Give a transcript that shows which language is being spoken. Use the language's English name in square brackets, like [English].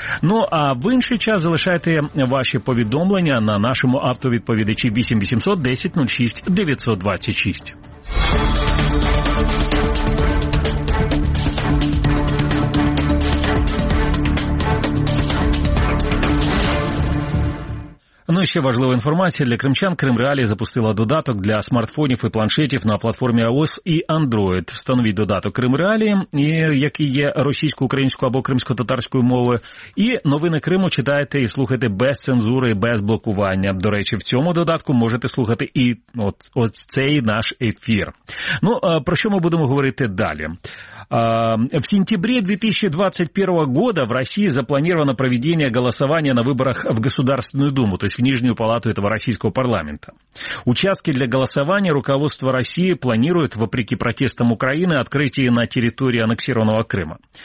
[Ukrainian] Ну а в інший час залишайте ваші повідомлення на нашому автовідповідачі 8 800 10 06 926. Ну і ще важлива інформація для кримчан. Крим Реалі запустила додаток для смартфонів і планшетів на платформі iOS і Android. Встановіть додаток Крим Реалі, який є російською, українською або кримсько-татарською мовою. І новини Криму читайте і слухайте без цензури і без блокування. До речі, в цьому додатку можете слухати і оцей наш ефір. Ну, про що ми будемо говорити далі? [Russian] В сентябре 2021 года в России запланировано проведение голосования на выборах в Государственную Думу, то есть в Нижнюю Палату этого российского парламента. Участки для голосования руководство России планирует, вопреки протестам Украины, открытие на территории аннексированного Крыма.